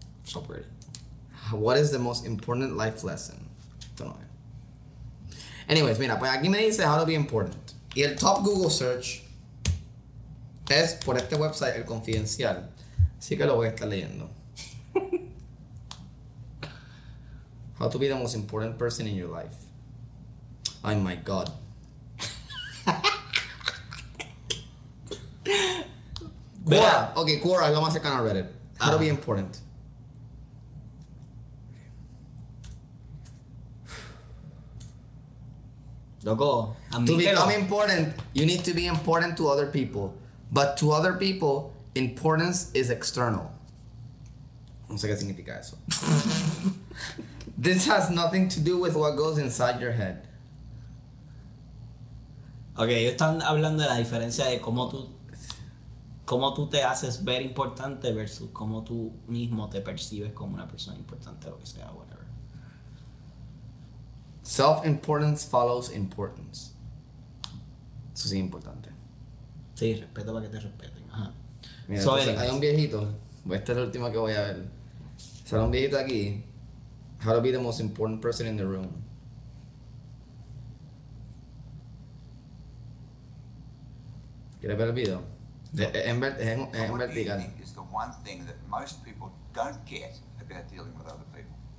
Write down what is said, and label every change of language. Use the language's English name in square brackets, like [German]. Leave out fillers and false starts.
[English] So pretty. What is the most important life lesson? Don't know. Anyways, [Spanish] mira, pues aquí me dice [English] how to be important. [Spanish] Y el top Google search es por este website, El Confidencial. Así que lo voy a estar leyendo. [English] How to be the most important person in your life. Oh my god. [Spanish] Quora, es lo más cercano a Reddit. [English] That'll be important. [Spanish] Loco, [English] to become important, you need to be important to other people. But to other people, importance is external. [Spanish] No sé qué significa eso. [English] This has nothing to do with what goes inside your head. [Spanish] Okay, ellos están hablando de la diferencia de cómo tú te haces ver importante versus cómo tú mismo te percibes como una persona importante, lo que sea, [English] whatever. Self-importance follows importance. [Spanish] Eso sí es importante. Sí, respeto para que te respeten. Ajá. Mira, so entonces, hay un viejito. Este es el último que voy a ver. Sale un viejito aquí. [English] How to be the most important person in the room. [Spanish] ¿Quieres ver el video? En vertical. [English] Is the one thing that most people don't get about dealing with other people.